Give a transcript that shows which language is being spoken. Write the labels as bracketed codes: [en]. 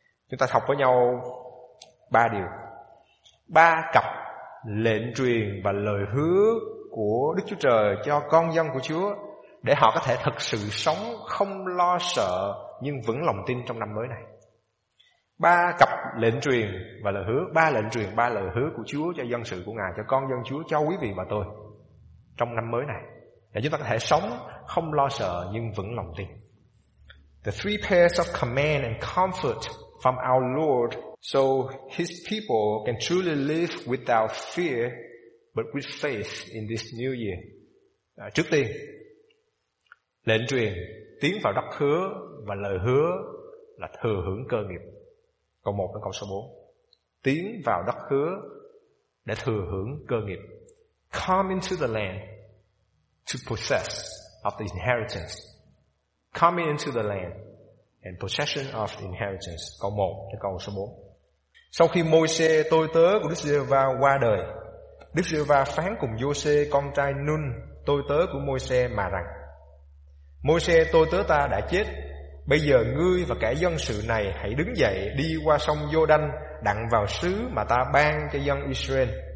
[vi] Chúng ta học với nhau 3 điều, 3 cặp lệnh truyền và lời hứa của Đức Chúa Trời cho con dân của Chúa, để họ có thể thật sự sống không lo sợ nhưng vững lòng tin trong năm mới này. 3 cặp lệnh truyền và lời hứa, 3 lệnh truyền, 3 lời hứa của Chúa cho dân sự của Ngài, cho con dân Chúa, cho quý vị và tôi trong năm mới này, để chúng ta có thể sống không lo sợ nhưng vững lòng tin. [en] The three pairs of command and comfort from our Lord, so His people can truly live without fear but with faith in this new year. [vi] Trước tiên, lệnh truyền, tiến vào đất hứa, và lời hứa là thừa hưởng cơ nghiệp. Câu 1 đến câu số 4, tiến vào đất hứa để thừa hưởng cơ nghiệp. [en] Come into the land to possess of the inheritance. Come into the land and possession of the inheritance. [vi] Câu 1 đến câu số 4. Sau khi Môi-se tôi tớ của Đức Giê-hô-va qua đời, Đức Giê-hô-va phán cùng Giô-se con trai Nun tôi tớ của Môi-se mà rằng: Môi-se tôi tớ ta đã chết, bây giờ ngươi và cả dân sự này hãy đứng dậy đi qua sông Giô-đanh đặng vào xứ mà ta ban cho dân Israel.